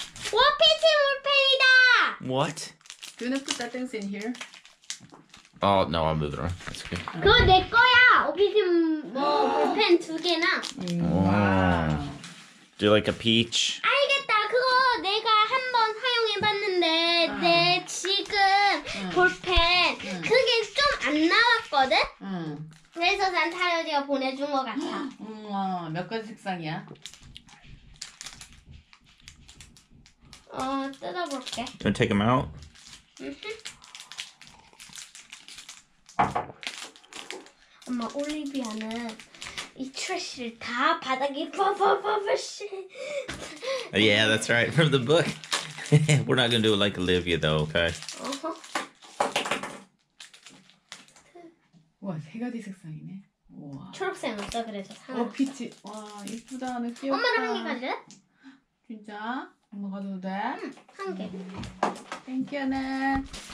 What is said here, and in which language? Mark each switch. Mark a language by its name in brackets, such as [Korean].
[English] What painting ball pen is that? What? Do you want to put that things in here? Oh no, I'll move it around. That's okay. [Korean] 그거 내 거야. 오피스 ball pen 두 개나. [English] Wow. Do you like a peach? [Korean] 알겠다. 그거 내가 한번 사용해봤는데 내 지금 ball pen 그게 좀 안 나왔거든. 그래서 난 타요리가 보내준 것 같아. 우와, 몇 가지 색상이야? 뜯어볼게. [English] You want to take them out? Mm-hmm. [Korean] 엄마, 올리비아는 이 트래쉬를 다 바닥에 퍼버버버시. [English] Yeah, that's right. From the book. We're not going to do it like Olivia, though, okay? [Korean] Uh-huh. 와, 세 가지 색상이네. 우와. 초록색 없어, 그래서. 오, 피치. 와, 예쁘다. 엄마랑 한 개 가질래? 진짜? 먹어도 돼? 한 개. [English] Thank you, Nan.